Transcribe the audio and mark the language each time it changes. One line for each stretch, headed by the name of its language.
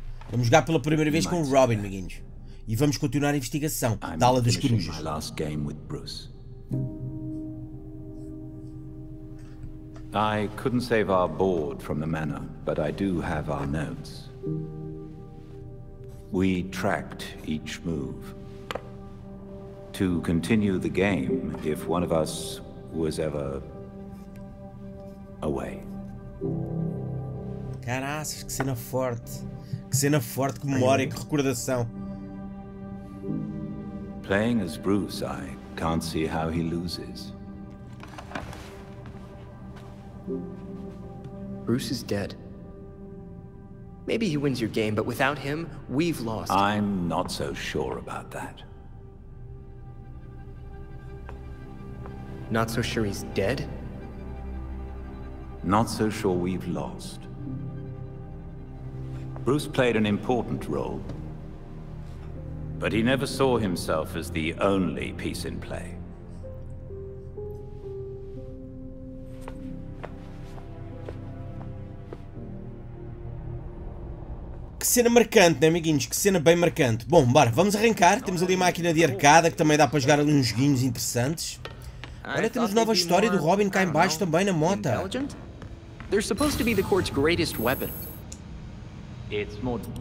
Portuguese: Vamos jogar pela primeira vez com o Robin, amiguinhos. E vamos continuar a investigação da ala dos corujos.
English: My last game with Bruce. I couldn't save our board from the manor, but I do have our notes. We tracked each move. To continue the game if one of us was ever away.
Portuguese: Caraças, que cena forte. Que cena forte, que memória, que recordação.
English: Playing as Bruce, I can't see how he loses. Bruce is dead. Maybe he wins your game, but without him, we've lost. I'm not so sure about that. Not so sure he's dead? Not so sure we've lost. Bruce played an important role, but he never saw himself as the only piece in play.
Portuguese: Que cena marcante, né, amiguinhos? Que cena bem marcante. Bom, bora, vamos arrancar. Temos ali a máquina de arcada que também dá para jogar ali uns joguinhos interessantes. Olha, temos nova história do Robin cá embaixo também na mota.
English: They're supposed to be the court's greatest weapon. It's more.